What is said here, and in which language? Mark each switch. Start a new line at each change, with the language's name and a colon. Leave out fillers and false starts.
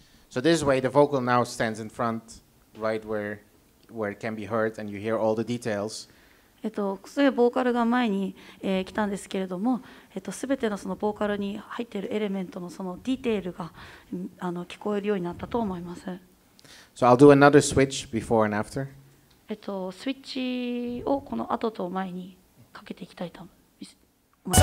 English: So this way, the vocal now stands in front, right where it can be heard, and you hear all the details.
Japanese: そういうボーカルが前に、来たんですけれども、すべてのそのボーカルに入っているエレメントのそのディテールが聞こえるようになったと思います。
English: So I'll do another switch before and after.
Japanese: スイッチをこの後と前にかけていきたいと思います。